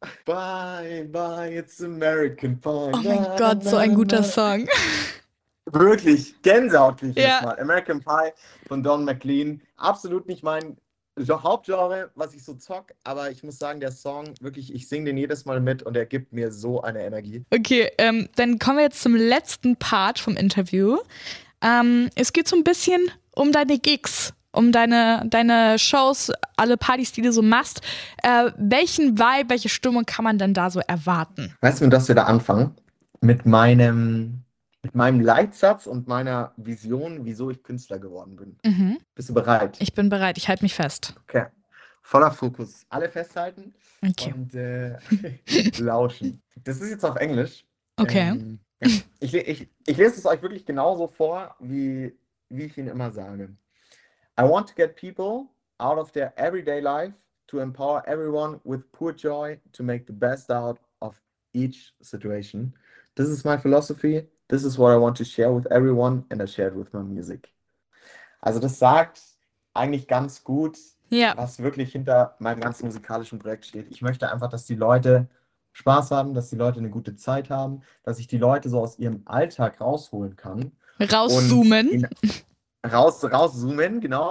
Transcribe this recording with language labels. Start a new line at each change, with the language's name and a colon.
English: Bye, bye, it's American Pie.
German: Oh mein Gott, so ein guter Song. Wirklich, Gänsehaut nicht mal. American Pie von Don McLean. Absolut nicht mein Hauptgenre, was ich so zock, aber ich muss sagen, der Song, wirklich, ich singe den jedes Mal mit und er gibt mir so eine Energie. Okay, dann kommen wir jetzt zum letzten Part vom Interview. Es geht so ein bisschen um deine Gigs, um deine Shows, alle Partys, die du so machst. Welchen Vibe, welche Stimmung kann man denn da so erwarten? Weißt du, dass wir da anfangen? Mit meinem Leitsatz und meiner Vision, wieso ich Künstler geworden bin. Mhm. Bist du bereit? Ich bin bereit, ich halte mich fest. Okay, voller Fokus. Alle festhalten und lauschen. Das ist jetzt auf Englisch. Okay. Ich lese es euch wirklich genauso vor, wie ich ihn immer sage.
English: I want to get people out of their everyday life to empower everyone with pure joy to make the best out of each situation. This is my philosophy. This is what I want to share with everyone and I share it with my music.
German: Also das sagt eigentlich ganz gut, was wirklich hinter meinem ganzen musikalischen Projekt steht. Ich möchte einfach, dass die Leute Spaß haben, dass die Leute eine gute Zeit haben, dass ich die Leute so aus ihrem Alltag rausholen kann. Rauszoomen. Rauszoomen, genau.